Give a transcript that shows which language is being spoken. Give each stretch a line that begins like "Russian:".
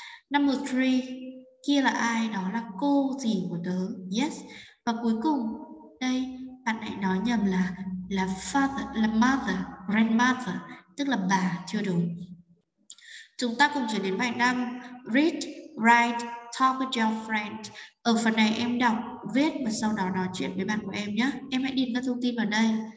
English: Number 3,
Vietnamese: kia là ai? Đó là cô gì của tớ? Yes. Và cuối cùng, đây, bạn lại nói nhầm là father, là mother, grandmother, tức là bà, chưa đúng. Chúng ta cùng chuyển đến bài 5.
English: Read, write, talk with your friend.
Vietnamese: Ở phần này em đọc, viết và sau đó nói chuyện với bạn của em nhé. Em hãy điền các thông tin vào đây.